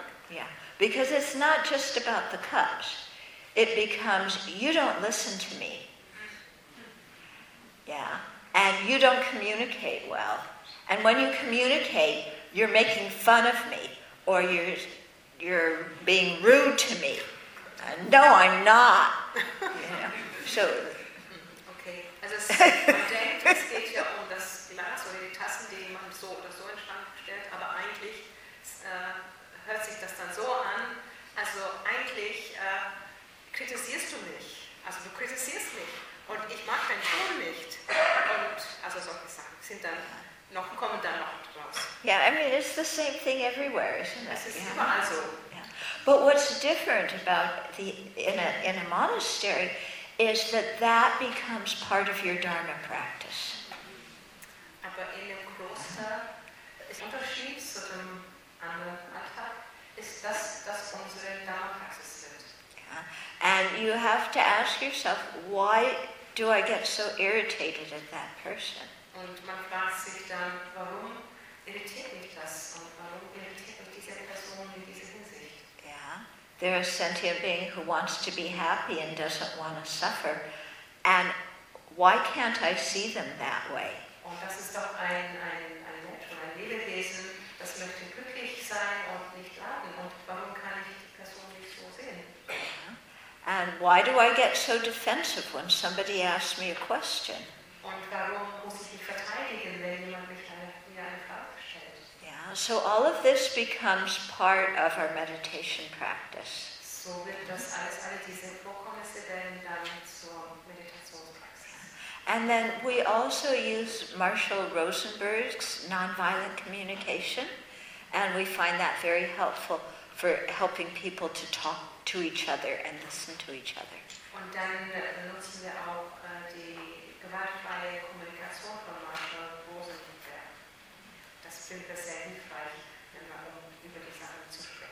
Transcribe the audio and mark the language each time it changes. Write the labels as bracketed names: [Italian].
[English] Yeah, because it's not just about the cups. It becomes, you don't listen to me. Yeah, and you don't communicate well. And when you communicate, you're making fun of me or you're being rude to me. No, I'm not. So. Okay. [German] Also man denkt, es geht ja um das Glas oder die Tassen, die man so oder so in den Schrank stellt, aber eigentlich hört sich das dann so an, also eigentlich kritisierst du mich. Also du kritisierst mich. Und ich mag deinen Ton nicht. Und also solche Sachen sind dann noch, kommen dann noch raus. [English] Yeah, I mean, it's the same thing everywhere, isn't it? [German] Es ist überall so. [English] But what's different about in a monastery is that becomes part of your dharma practice. [German] Aber in dem Kloster ist der Unterschied zu dem anderen Alltag, ist das unsere dharma praxis wird. [English] And you have to ask yourself, why do I get so irritated at that person? [German] Und man fragt sich dann, warum irritiert mich das und warum irritiert mich diese Person in diesem [English] They're a sentient being who wants to be happy and doesn't want to suffer. And why can't I see them that way? [German] Und das ist doch ein Mensch oder ein Lebewesen, das möchte glücklich sein und nicht leiden. Und warum kann ich die Person nicht so sehen? [English] And why do I get so defensive when somebody asks me a question? [German] Und warum muss ich mich verteidigen, wenn jemand mich eine Frage stellt? [English] Yeah, so all of this becomes part of our meditation practice. [German] So wird das alles, all diese Vorkommnisse werden dann zur Meditationspraxis. [English] And then we also use Marshall Rosenberg's nonviolent communication, and we find that very helpful for helping people to talk to each other and listen to each other. [German] Und dann benutzen wir auch die gewaltfreie Kommunikation von Marshall Rosenberg. Das finde ich sehr hilfreich, wenn wir über die Sachen zu sprechen.